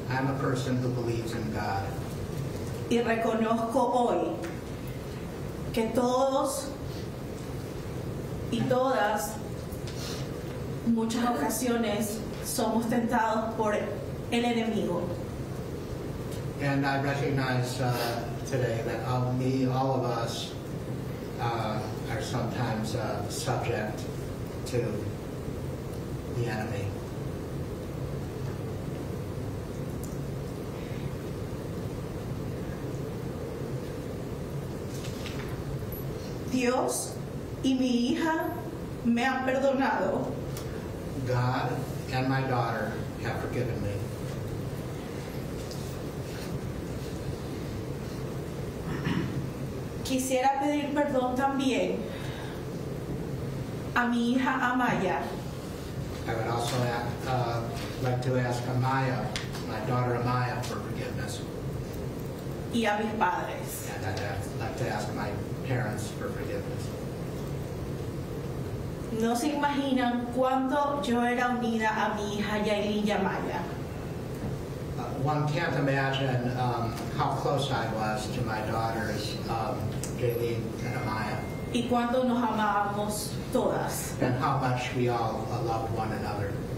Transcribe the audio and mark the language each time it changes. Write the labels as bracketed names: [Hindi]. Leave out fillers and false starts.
[English] I'm a person who believes in God. [Spanish] Y reconozco hoy que todos y todas muchas ocasiones somos tentados por el enemigo. [English] And I recognize today that all of us are sometimes subject to the enemy. [Spanish] Dios y mi hija me han perdonado. [English] God and my daughter have forgiven me. [Spanish] Quisiera pedir perdón también a mi hija Amaya. [English] I would also like to ask Amaya, my daughter Amaya, for forgiveness. [Spanish] Y a mis padres. [English] And I'd like to ask my parents for forgiveness. [Spanish] No se imaginan cuánto yo era unida a mi hija Yailin y Amaya. [English] One can't imagine how close I was to my daughters, Jaylene and Amaya. [Spanish] Y cuánto nos amábamos todas. [English] And how much we all loved one another.